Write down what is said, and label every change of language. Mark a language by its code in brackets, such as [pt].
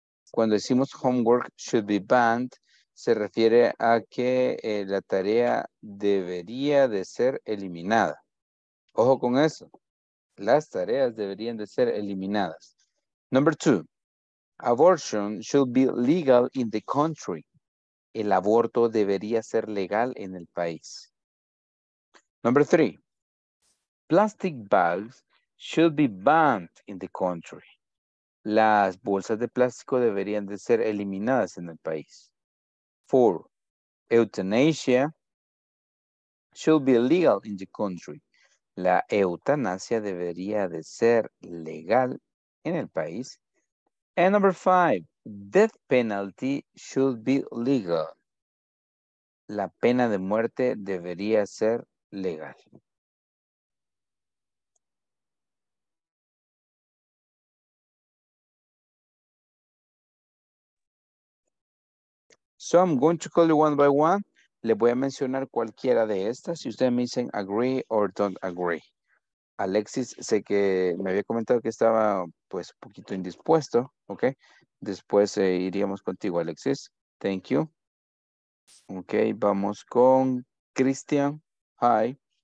[es] Cuando decimos [en] homework should be banned, [es] se refiere a que la tarea debería de ser eliminada. Ojo con eso. Las tareas deberían de ser eliminadas. [en] Number two, abortion should be legal in the country. [es] El aborto debería ser legal en el país. [en] Number three, plastic bags should be banned in the country. [es] Las bolsas de plástico deberían de ser eliminadas en el país. [en] Four, euthanasia should be legal in the country. [es] La eutanasia debería de ser legal en el país. [en] And number five, death penalty should be legal. [es] La pena de muerte debería ser legal. [en] So I'm going to call you one by one. [es] Le voy a mencionar cualquiera de estas. Si ustedes me dicen [en] agree or don't agree. [es] Alexis, sé que me había comentado que estaba pues un poquito indispuesto. Ok. Después iríamos contigo, Alexis. [en] Thank you. [es] Ok. Vamos con Christian. Hi.